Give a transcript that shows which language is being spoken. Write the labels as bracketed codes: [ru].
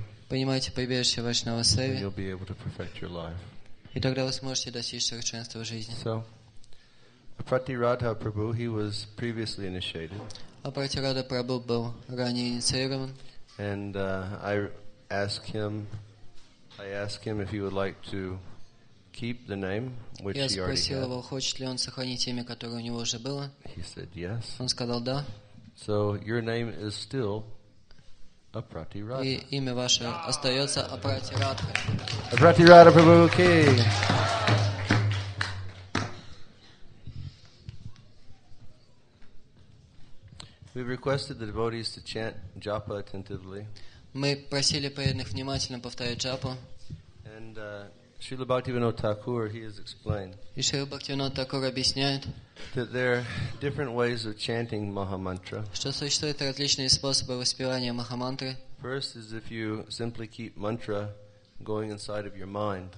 [ru] Принимайте прибежище в Вайшнава Сева. И тогда вы сможете достичь совершенства в жизни. [en] So, Aprati Radha Prabhu, he was previously initiated. [ru] Апратирада Прабху был ранее инициирован. [en] And I asked him if he would like to keep the name which he already had. [ru] Я спросил его, хочет ли он сохранить имя, которое у него уже было. [en] He said yes. [ru] Он сказал да. [en] So your name is still Aprati Radha. [ru] И имя ваше остается Апрати Радха. [en] Aprati Radha Prabhu Ki. We've requested the devotees to chant japa attentively. [ru] Мы просили преданных внимательно повторять джапу. [en] And Srila Bhaktivinoda Thakur, he has explained that there are different ways of chanting Mahamantra. First is if you simply keep mantra going inside of your mind.